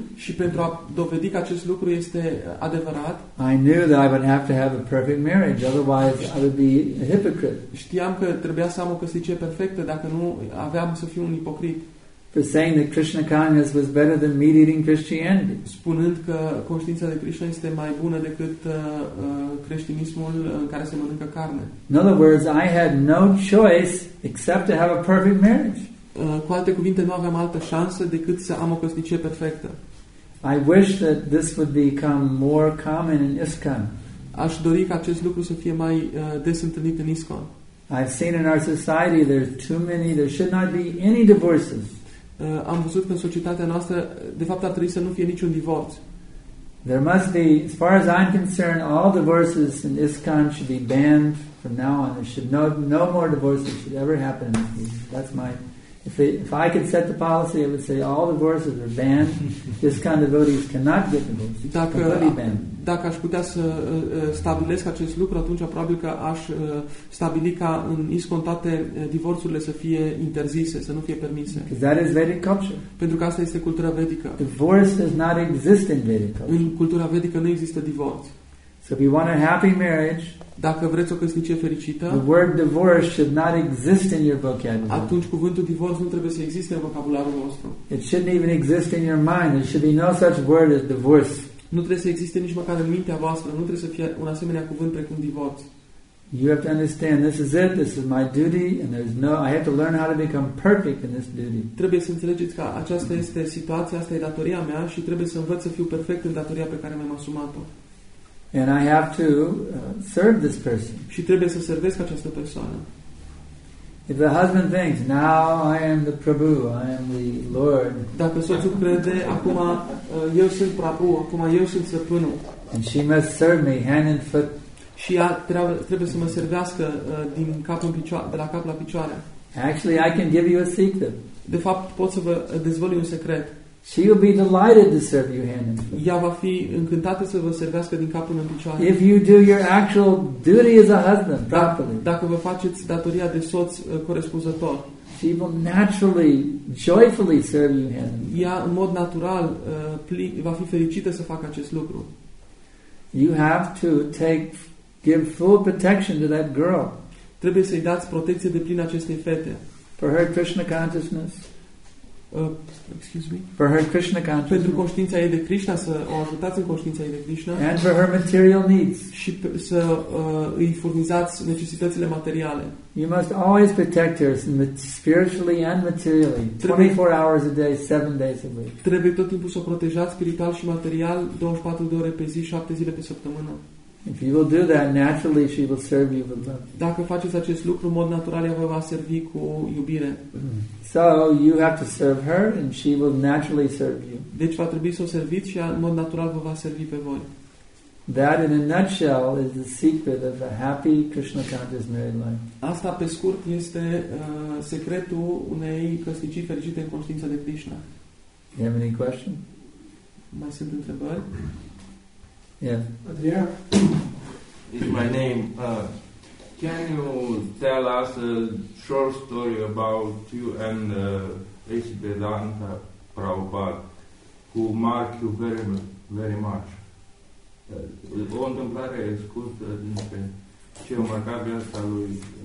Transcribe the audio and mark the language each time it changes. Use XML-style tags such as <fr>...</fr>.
<ro>și pentru a dovedi că acest lucru este adevărat,</ro> <en>I knew that I would have to have a perfect marriage, otherwise I would be a hypocrite.</en> <ro>Știam că trebuia să am o căsnicie perfectă, dacă nu aveam să fiu un ipocrit.</ro> <en>For saying that Krishna consciousness was better than meat-eating Christianity.</en> <ro>Spunând că conștiința de Krishna este mai bună decât creștinismul în care se mănâncă carne.</ro> <en>In other words, I had no choice except to have a perfect marriage.</en> <ro>Cu alte cuvinte, nu aveam altă șansă decât să am o căsnicie perfectă.</ro> <en>I wish that this would become more common in ISKCON.</en> <ro>Aș dori ca acest lucru să fie mai des întâlnit în ISKCON.</ro> <en>I've seen in our society there's too many, there should not be any divorces.</en> <ro>Am văzut că în societatea noastră de fapt ar trebui să nu fie niciun divorț.</ro> <en>There must be, as far as I'm concerned, all divorces in ISKCON should be banned from now on. There should no more divorces should ever happen. That's my if I could set the policy, I would say all divorces are banned. ISKCON devotees cannot get divorced.</en> <ro>Dacă aș putea să stabilesc acest lucru, atunci probabil că aș stabili ca în ISKCON toate divorțurile să fie interzise, să nu fie permise.</ro> <en>Because that is Vedic culture.</en> <ro>Pentru că asta este cultura vedică.</ro> <en>Divorce does not exist in Vedic culture.</en> <ro>În cultura vedică nu există divorț.</ro> <en>So if you want a happy marriage,</en> <ro>dacă vreți o căsnicie fericită,</ro> <en>the word divorce should not exist in your vocabulary.</en> <ro>Atunci cuvântul divorț nu trebuie să existe în vocabularul vostru.</ro> <en>It shouldn't even exist in your mind. There should be no such word as divorce.</en> <ro>Nu trebuie să existe nici măcar în mintea voastră, nu trebuie să fie un asemenea cuvânt precum divorț.</ro> <en>You have to understand this is it, this is my duty and there's no I have to learn how to become perfect in this duty.</en> <ro>Trebuie să înțelegeți că aceasta este situația, asta e datoria mea și trebuie să învăț să fiu perfect în datoria pe care mi-am asumat-o.</ro> <en>And I have to serve this person.</en> <ro>Și trebuie să servesc această persoană.</ro> <en>If the husband thinks, now I am the Prabhu, I am the Lord.</en> <ro>Dacă soțul crede, acum eu sunt Prabhu, acum eu sunt stăpânul.</ro> <en>And she must serve me hand and foot.</en> <ro>Și ea trebuie să mă servească din cap în picioare, de la cap la picioare.</ro> <en>Actually, I can give you a secret.</en> <ro>De fapt, pot să vă dezvălui un secret.</ro> <en>She will be delighted to serve you hand and foot.</en> <ro>Ea va fi încântată să vă servească din cap până în picioare.</ro> <en>If you do your actual duty as a husband properly.</en> <ro>Dacă vă faceți datoria de soț corespunzător.</ro> <en>She will naturally, joyfully serve you hand and foot.</en> <ro>Ea în mod natural va fi fericită să facă acest lucru.</ro> <en>You have to give full protection to that girl.</en> <ro>Trebuie să-i dați protecție deplină acestei fete.</ro> <en>For her Krishna consciousness. Excuse me. For her Krishna consciousness.</en> <ro>Pentru conștiința ei de Krishna, să o ajutați în conștiința ei de Krishna.</ro> <en>And for her material needs.</en> <ro>Și să îi furnizați necesitățile materiale.</ro> <en>You must always protect her spiritually and materially. 24 hours a day, 7 days a week.</en> <ro>Trebuie tot timpul să o protejați spiritual și material 24 de ore pe zi, 7 zile pe săptămână.</ro> <en>If you will do that, naturally she will serve you with love.</en> <ro>Dacă faceți acest lucru, în mod natural, ea vă va servi cu iubire.</ro> <en>So you have to serve her and she will naturally serve you.</en> <ro>Deci va trebui să o serviți și ea, în mod natural, vă va servi pe voi.</ro> <en>That, in a nutshell, is the secret of a happy Krishna conscious married life.</en> <ro>Asta, pe scurt, este secretul unei căsnicii fericite în conștiința de Krishna.</ro> <en>You have any question?</en> <ro>Mai sunt întrebări?</ro> <en>Yeah. Yeah. It's my name. Can you tell us a short story about you and Vaishvedanta Prabhupada, who mark you very, very much?</en> <ro>O întâmplare scurtă dintre ce o marcat viața lui</ro>